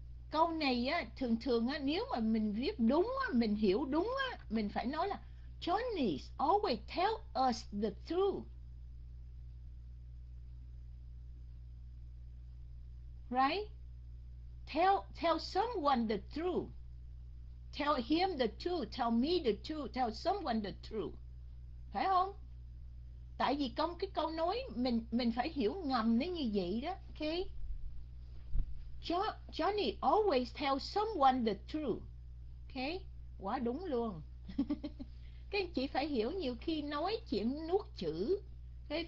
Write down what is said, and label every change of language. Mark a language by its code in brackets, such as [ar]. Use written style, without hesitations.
[vi] Câu này á, thường thường á, nếu mà mình viết đúng á, mình hiểu đúng á, mình phải nói là [en] Johnny always tell us the truth, right? Tell someone the truth. Tell him the truth, tell me the truth, tell someone the truth. [vi] Phải không? Tại vì công cái câu nói mình phải hiểu ngầm nó như vậy đó, okay? [en] Johnny always tell someone the truth. Okay? [vi] Quá đúng luôn. Các anh chị phải hiểu nhiều khi nói chuyện nuốt chữ, okay?